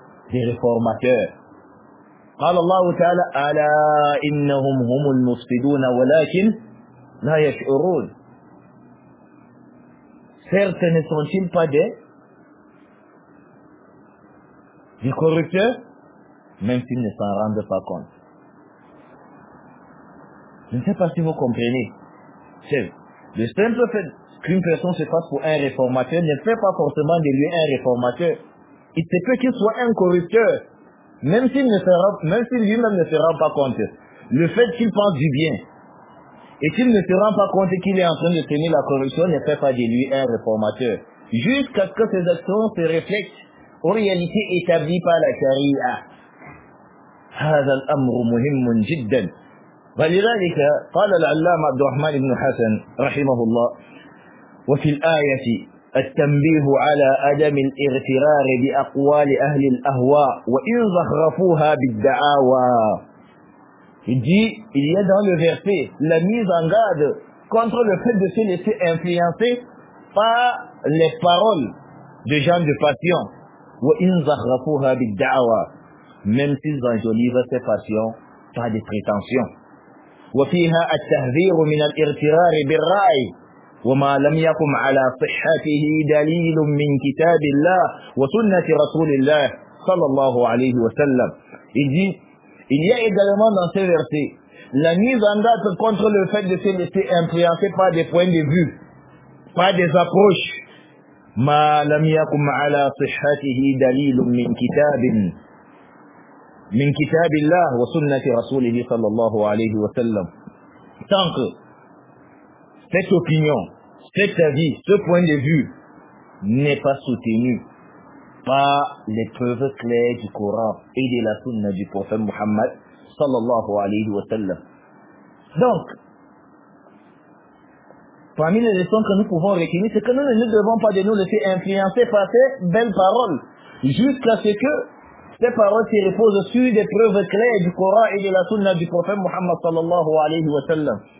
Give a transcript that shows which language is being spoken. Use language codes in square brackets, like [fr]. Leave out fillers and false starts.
[fr] des réformateurs [ar] قال الله تعالى ألا إنهم هم المفسدون ولكن لا يشعرون [fr] certes ne sont-ils pas des corrupteurs, même s'ils ne s'en rendent pas compte. Je ne sais pas si vous comprenez. C'est le simple fait qu'une personne se fasse pour un réformateur ne fait pas forcément de lui un réformateur. Il se peut qu'il soit un corrupteur, même s'il ne sera, même si lui-même ne se rend pas compte. Le fait qu'il pense du bien et qu'il ne se rend pas compte qu'il est en train de tenir la corruption ne fait pas de lui un réformateur. Jusqu'à ce que ses actions se reflètent aux réalités établies par la charia. [ar] هذا الأمر مهم جدا. ولذلك قال العلامة عبد الرحمن بن حسن رحمه الله وفي الآية التنبيه على عدم الاغترار بأقوال أهل الأهواء وإن زخرفوها بالدعاوى. [fr] Il dit, il y a dans le verset la mise en garde contre le fait de se laisser influencer par les paroles de gens de passion. [ar] وإن زخرفوها بالدعاوى. [fr] Même s'ils enjolivent ces passions par des prétentions. [ar] وفيها التحذير من الارترار بالرأي وما لم يقم على صحته دليل من كتاب الله وسنة رسول الله صلى الله عليه وسلم. [fr] Il dit, il y a également dans ces versets la mise en garde contre le fait de se laisser influencer par des points de vue, par des approches. [ar] ما لم يقم على صحته دليل من كتاب من كتاب الله وسنة رسوله صلى الله عليه وسلم. [fr] Tant que cette opinion, cet avis, ce point de vue n'est pas soutenu par les preuves claires du Coran et de la Sunna du prophète Muhammad sallallahu alayhi wa sallam. Donc, parmi les leçons que nous pouvons retenir, c'est que nous ne devons pas de nous laisser influencer par ces belles paroles, jusqu'à ce que ces paroles se reposent sur des preuves claires du Coran et de la Sunna du prophète Muhammad sallallahu alayhi wa sallam.